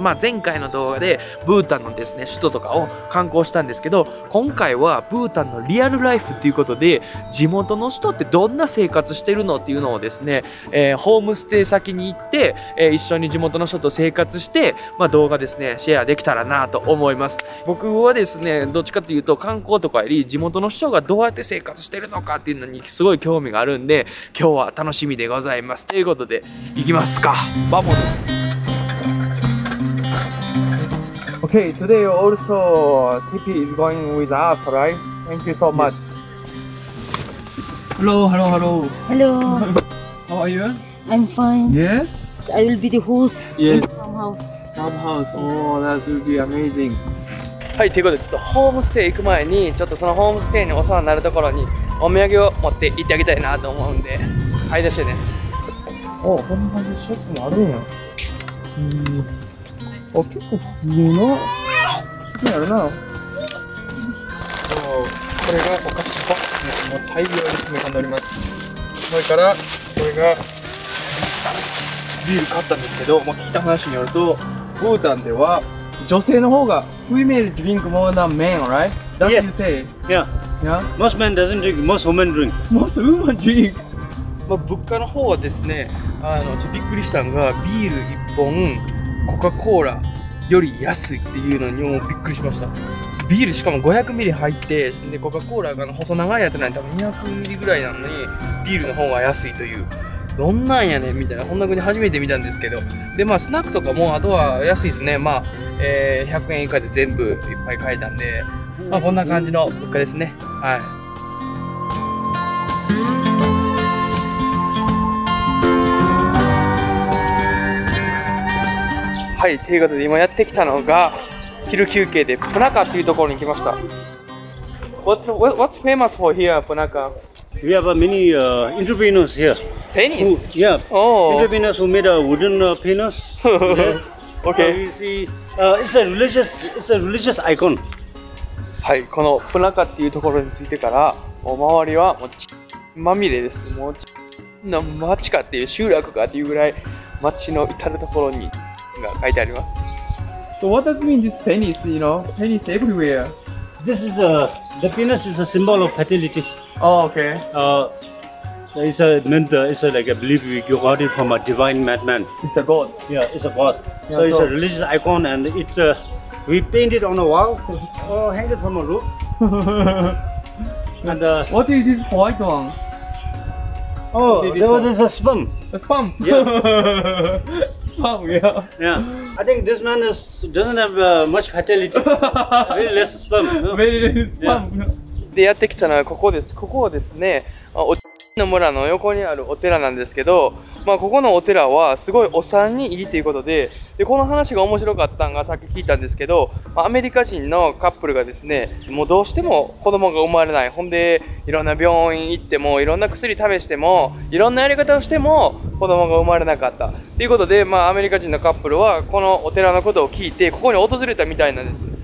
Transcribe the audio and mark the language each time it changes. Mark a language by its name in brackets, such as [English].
[Japanese] まあ前回の動画でブータンのですね、首都とかを観光したんですけど、今回はブータンのリアルライフということで、地元の人ってどんな生活してるのっていうのをですね、ホームステイ先に行って、一緒に地元の人と生活して、まあ、動画ですね、シェアできたらなと思います。僕はですね、どっちかっていうと観光とかより地元の人がどうやって生活してるのかっていうのにすごい興味があるんで、今日は楽しみでございます。ということで、行きますか。バボル。 [English] Okay, today also Tippy is going with us, right? Thank you so much. Hello, hello, hello. Hello. How are you? I'm fine. Yes? I will be the host. Yes. In farmhouse. Farmhouse. Oh, that will be amazing. [Japanese] はい、ということで、ちょっとホームステイ行く前に、ちょっとそのホームステイにお世話になるところにお土産を持って行ってあげたいなと思うんで、はい、出してね。お、こんな感じショップもあるんや。お、結構普通の好きになるな。そう、これがお菓子パックですね。もう大量に詰め込んでおります。それから、これがビール買ったんですけど、もう聞いた話によると、ブータンでは女性の方が [English] Female drink more than men, right? That's what you say? Yeah. Yeah? Most men doesn't drink, most women drink. Most women drink. [Japanese] まあ物価の方はですね、ちょっとびっくりしたのが、ビール1本、コカ・コーラより安いっていうのにもびっくりしました。ビールしかも500ミリ入って、でコカ・コーラが細長いやつなんで多分200ミリぐらいなのに、ビールの方が安いという。どんなんやねんみたいな、こんな国初めて見たんですけど。でまあスナックとかもあとは安いですね。まあ、100円以下で全部いっぱい買えたんで。まあ、こんな感じの物価ですね。はい。はい、ということで今やってきたのが、昼休憩でプナカというところに来ました。 [English] What's famous for here, Punaka? We have a many entrepreneurs here. Penis? Who, yeah. Oh. Entrepreneurs who made a wooden penis. Okay. You see, it's a religious icon. [Japanese] はい、このプナカっていうところについてから、お周りはもうチッまみれです。もうチッの町かっていう、集落かっていうぐらい町の至るところにが書いてあります。 [English] So what does mean this penis, you know? Penis everywhere. This is a... The penis is a symbol of fertility. Oh, okay. It's a... meant, it's a, like, I believe we got it from a divine madman. It's a god. Yeah, it's a god. Yeah, so it's a religious icon and it'sWe paint it on a wall or hang it from a roof. And, what is this white one? Oh, there was a sperm. A sperm? Yeah. Sperm, yeah. Yeah. I think this man is, doesn't have much fertility. Very less sperm. No? Very less sperm. Yeah. [Japanese] で、やってきたのはここです。ここはですね、おの村の横にあるお寺なんですけど、まあ、ここのお寺はすごいお産にいいということ で、この話が面白かったのがさっき聞いたんですけど、アメリカ人のカップルがですね、もうどうしても子供が生まれない、ほんでいろんな病院行ってもいろんな薬試してもいろんなやり方をしても子供が生まれなかったということで、まあ、アメリカ人のカップルはこのお寺のことを聞いてここに訪れたみたいなんです。